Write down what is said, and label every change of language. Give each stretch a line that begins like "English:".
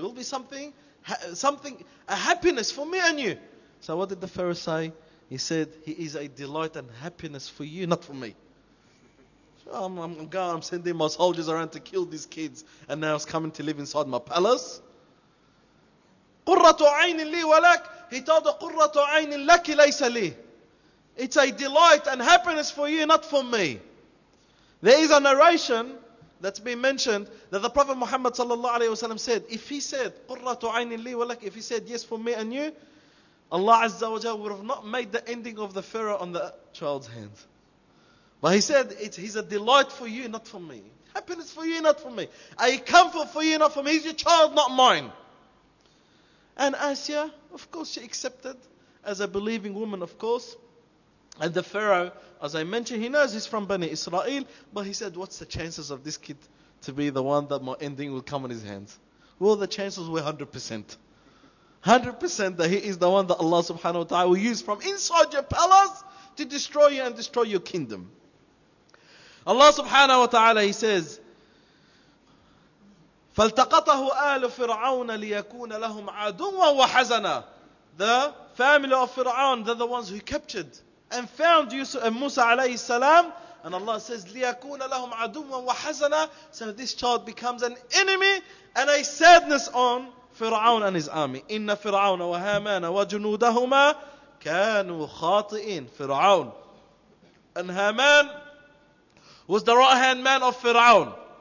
English: He'll be something, a happiness for me and you. So what did the Pharaoh say? He said, he is a delight and happiness for you, not for me. So I'm sending my soldiers around to kill these kids. And now he's coming to live inside my palace.
Arabic: قُرَّةُ عَيْنٍ لِي وَلَكْ.
English: He told her,
Arabic: قُرَّةُ عَيْنٍ لَكِ لَيْسَ لِي.
English: It's a delight and happiness for you, not for me. There is a narration that's been mentioned that the Prophet Muhammad sallallahu alayhi wasallam said, if he said,
Arabic: قُرَّةُ عَيْنٍ لِي وَلَكْ,
English: if he said, yes, for me and you, Allah Azza wa Jalla would have not made the ending of the Pharaoh on the child's hand. But he said, he's a delight for you, not for me. Happiness for you, not for me. A comfort for you, not for me. He's your child, not mine. And Asiya, of course, she accepted as a believing woman, of course. And the Pharaoh, as I mentioned, he knows he's from Bani Israel. But he said, what's the chances of this kid to be the one that my ending will come in his hands? Well, the chances were 100%. 100% that he is the one that Allah subhanahu wa ta'ala will use from inside your palace to destroy you and destroy your kingdom.
Arabic: Allah subhanahu wa ta'ala,
English: he says,
Arabic: فَالْتَقَطَهُ آلُ فِرْعَوْنَ لِيَكُونَ لَهُمْ عَدُوًا وَحَزَنًا.
English: The family of Fir'aun, they're the ones who captured and found Yusuf and Musa alayhi salam. And Allah says,
Arabic: لِيَكُونَ لَهُمْ عَدُوًا وَحَزَنًا.
English: So this child becomes an enemy and a sadness on Fir'aun and his army.
Arabic: إِنَّ فِرْعَوْنَ وَهَامَانَ وَجُنُودَهُمَا كَانُوا خَاطِئِينَ.
English: Fir'aun and Haman was the right-hand man of Fir'aun.